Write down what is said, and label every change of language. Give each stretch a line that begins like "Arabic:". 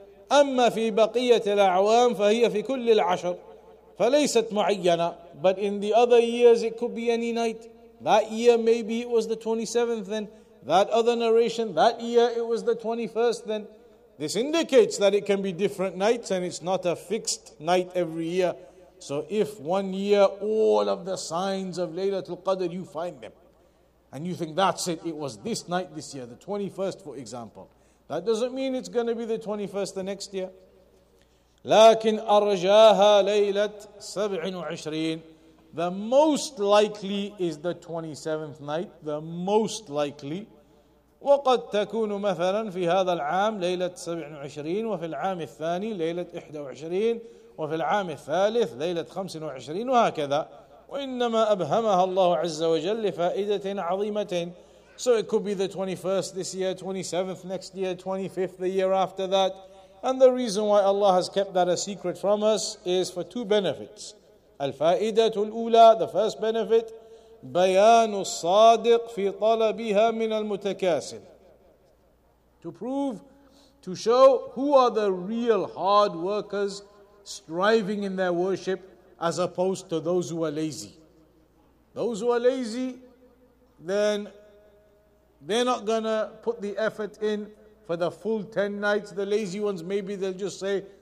Arabic: أما في بقية الأعوام فهي في كل العشر فليست معينة.
English: But in the other years it could be any night. That year maybe it was the 27th, then that other narration, that year it was the 21st, then this indicates that it can be different nights and it's not a fixed night every year. So if one year all of the signs of Laylatul Qadr, you find them and you think that's it, it was this night this year, the 21st for example, that doesn't mean it's going to be the 21st the next year.
Arabic: لكن أرجاها ليلة 27.
English: The most likely is the 27th night. The most likely.
Arabic: وَقَدْ تَكُونُ مَثَلًا فِي هَذَا الْعَامِ لَيْلَةِ 27 وَفِي الْعَامِ الثَّانِي لَيْلَةِ 21 وَفِي الْعَامِ الثَّالِثِ لَيْلَةِ 25 وَهَكَذَا وَإِنَّمَا أَبْهَمَهَا اللَّهُ عَزَّ وَجَلِّ لِفَائِدَةٍ عَظِيمَةٍ.
English: So it could be the 21st this year, 27th next year, 25th the year after that. And the reason why Allah has kept that a secret from us is for two benefits. الفائدة الأولى, the first benefit, بيان الصادق في طلبها من المتكاسل. To prove, to show who are the real hard workers striving in their worship as opposed to those who are lazy. Those who are lazy, then they're not going to put the effort in for the full 10 nights. The lazy ones, maybe they'll just say